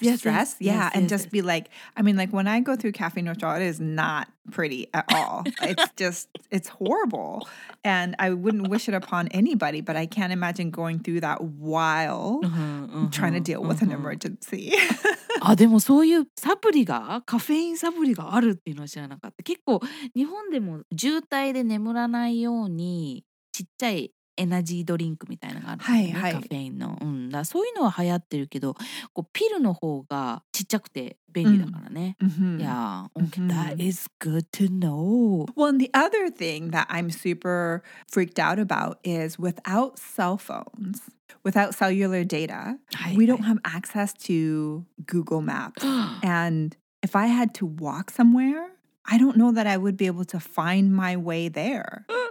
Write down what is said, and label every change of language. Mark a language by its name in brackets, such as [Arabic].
[English] Yes, yeah, yes, and yes, just be like, I mean, like when I go through caffeine withdrawal, it is not pretty at all. It's just, it's horrible. And I wouldn't wish it upon anybody, but I can't imagine going through that while trying to deal with an emergency. [Japanese] あ、でもそういうサプリが、カフェインサプリがあるっていうのは知らなかった。結構日本でも渋滞で眠らないようにちっちゃいエナジードリンクみたいなのがあるから、はいはい、カフェインの。うん、だそういうのは流行ってるけど、こうピルの方がちっちゃくて便利だからね。 [English] Yeah, okay, that is good to know. Well, and the other thing that I'm super freaked out about is without cell phones... Without cellular data, we don't have access to Google Maps. And if I had to walk somewhere, I don't know that I would be able to find my way there.